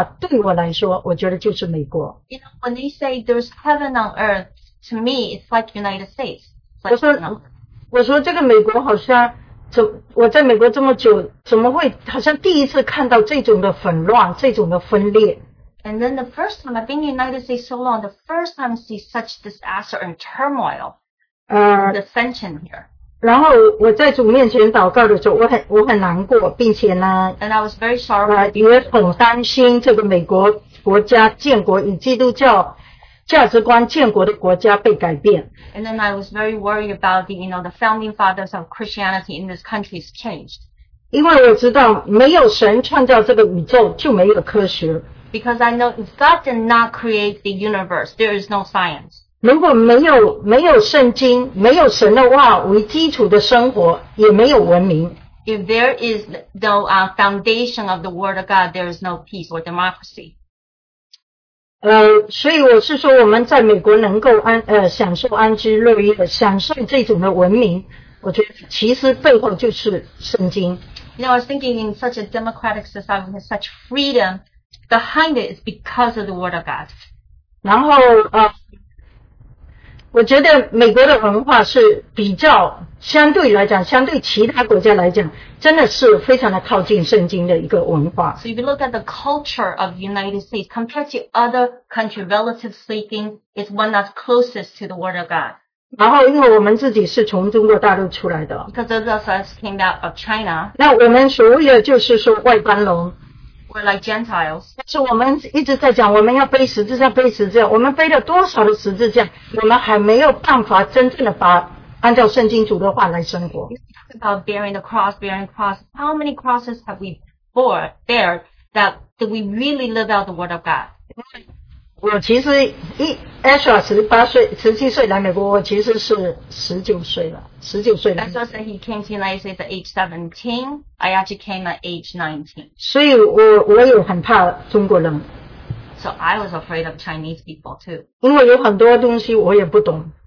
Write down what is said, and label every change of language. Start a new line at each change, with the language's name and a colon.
English: You know, when they say there's heaven on earth, to me, it's like United States.
Chinese: 我说这个美国好像，我在美国这么久，怎么会好像第一次看到这种的混乱，这种的分裂
English: ？And then the first time I've been in United States so long, the first time I see such disaster and turmoil, dissension here.
Chinese: 然后我在主面前祷告的时候，我很难过，并且呢
English: ，And I was very sorry.
Chinese: 也很担心这个美国国家建国与基督教。价值观建国的国家被改变。
English: And then I was very worried about the, you know, the founding fathers of Christianity in this country has changed.
Chinese: 因为我知道没有神创造这个宇宙就没有科学。
English: Because I know if God did not create the universe, there is no science.
Chinese: 如果没有圣经，没有神的话为基础的生活，也没有文明。
English: If there is no foundation of the word of God, there is no peace or democracy.
Chinese: 所以我是说我们在美国能够享受安居乐业享受这种的文明我觉得其实背后就是圣经
English: You know, I was thinking in such a democratic society with such freedom behind it is because of the word of God
Chinese: 然后我觉得美国的文化是比较相对来讲相对其他国家来讲真的是非常的靠近圣经的一个文化
English: So if you look at the culture of the United States compared to other countries relative speaking it's one that's closest to the word of God
Chinese: 然后因为我们自己是从中国大陆出来的
English: Because those of us came out of China
Chinese: 那我们所谓的就是说外邦人
English: We're like Gentiles
Chinese: 但是我们一直在讲我们要背十字架我们背了多少的十字架我们还没有办法真正的把按照圣经主的话来生活。
English: You talk about bearing the cross. How many crosses have we bore that we really live out the word of God?
Chinese: 我其实Ezra 17岁来美国，我其实是19岁来。
English: Ezra said he came to the United States at age 17. I actually came at age 19.
Chinese: 所以我有很怕中国人。
English: So I was afraid of Chinese people too.
Chinese: 因为有很多东西我也不懂。